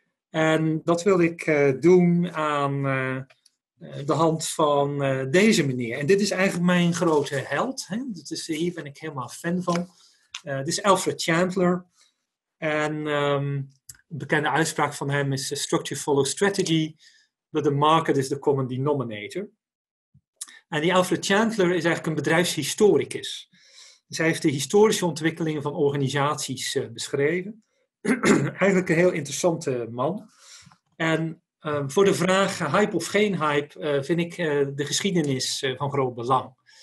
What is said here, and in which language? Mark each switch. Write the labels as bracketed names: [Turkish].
[Dutch] En dat wilde ik doen aan de hand van deze meneer. En dit is eigenlijk mijn grote held. Hè? Dit is, hier ben ik helemaal fan van. Dit is Alfred Chandler. En een bekende uitspraak van hem is... [English] Structure follows strategy, but the market is the common denominator. [Dutch] En die Alfred Chandler is eigenlijk een bedrijfshistoricus. Dus hij heeft de historische ontwikkelingen van organisaties beschreven. Eigenlijk een heel interessante man. En voor de vraag hype of geen hype vind ik de geschiedenis van groot belang.